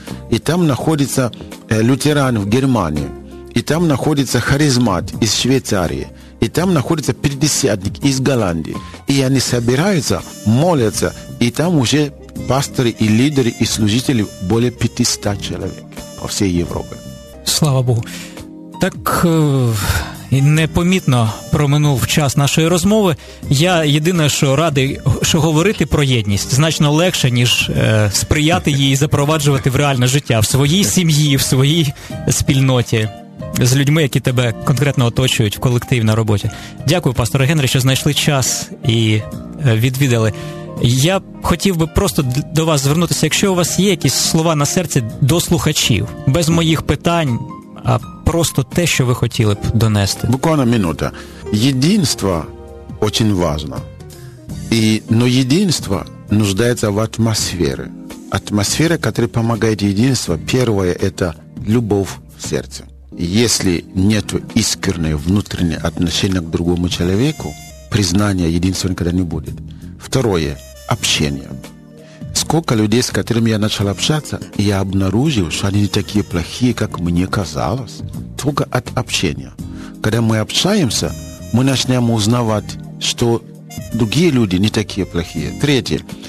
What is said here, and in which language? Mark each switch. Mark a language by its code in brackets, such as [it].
[ru] И там находится лютеран в Германии. И там находится харизмат из Швейцарии. И там находится пятидесятник из Голландии. И они собираются, молятся. И там уже пасторы и лидеры и служители более 500 человек по всей Европе. Слава Богу. Так... [uk] І непомітно проминув час нашої розмови. Я єдине, що радий, що говорити про єдність значно легше, ніж сприяти її і запроваджувати в реальне життя, в своїй сім'ї, в своїй спільноті, з людьми, які тебе конкретно оточують в колективній роботі. Дякую, пастор Генрі, що знайшли час і відвідали. Я хотів би просто до вас звернутися, якщо у вас є якісь слова на серці до слухачів, без моїх питань, а просто те, що ви хотіли б донести. [ru] Буквально минута. [uk] Єдинство дуже важливо. І, но єдинство нуждається в атмосфері. Атмосфера, яка допомагає єдинству, перше – це любов в серці. Якщо немає іскреної внутрішньої відношення до іншому чоловіку, признання єдинства ніколи не буде. Друге – общення. [ru] Сколько людей, с которыми я начал общаться, я обнаружил, что они не такие плохие, как мне казалось. Только от общения. Когда мы общаемся, мы начинаем узнавать, что другие люди не такие плохие. Третье.